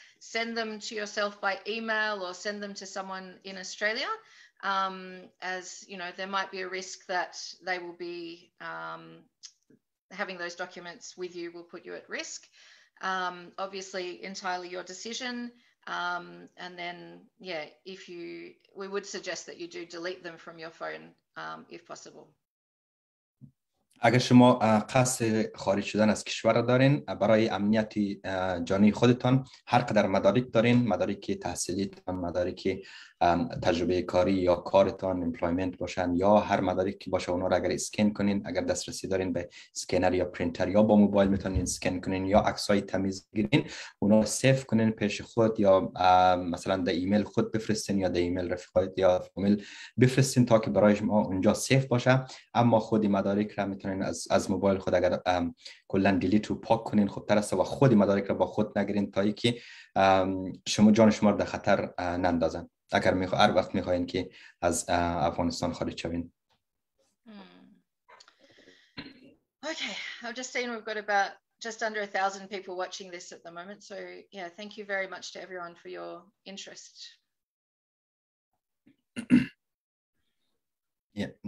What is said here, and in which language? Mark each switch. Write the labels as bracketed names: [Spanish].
[English] Send them to yourself by email or send them to someone in Australia, as, you know, there might be a risk that they will be having those documents with you will put you at risk. Obviously, entirely your decision. And then, yeah, if you, we would suggest that you do delete them from your phone if possible. [Persian] اگر شما قصد خارج شدن از کشور دارین برای امنیت جانی خودتان، هر قدر مدارک دارین، مدارک تحصیلیتان، مدارک تجربه کاری یا کارتان، امپلایمنت باشن یا هر مدارک که باشه، اونا رو اگر اسکن کنین، اگر دسترسی دارین به سکنر یا پرینتر یا با موبایل میتونین اسکن کنین یا عکسای تمیز گیرین، اونا رو سیف کنین پیش خود یا مثلا در ایمیل خود بفرستین یا در ایمیل رفقایت یا فامیل بفرستین تا که برای شما اونجا سیف باشه. اما خود مدارک رو میتونین از موبایل خود اگر کلا دیلیت رو پاک کنین خوب تر است و خود مدارک رو با خود نگیرین تا اینکه شما جان شما رو در خطر نندازن اگر میخواین، هر وقت میخواین که از افغانستان خارج شوین. [English] Okay, I've just seen we've got about just under 1,000 people watching this at the moment, so yeah, thank you very much to everyone for your interest. Yeah.